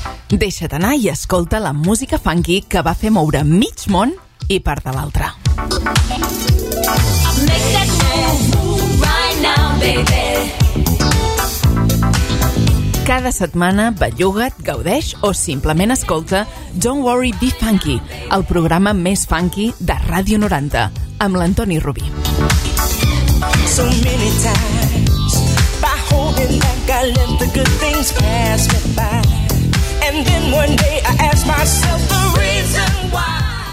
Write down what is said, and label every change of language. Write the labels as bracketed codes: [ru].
[ca] Deixa't anar i escolta la música funky que va fer moure mig món i part de l'altre. [en] Make that move right now, baby. [ca] Cada setmana, belluga't, gaudeix o simplement escolta Don't Worry, Be Funky, el programa més funky de Ràdio 90, amb l'Antoni Rubí. [en] So many times, by holding back, I let the good things pass me by. And then one day I ask myself the reason why.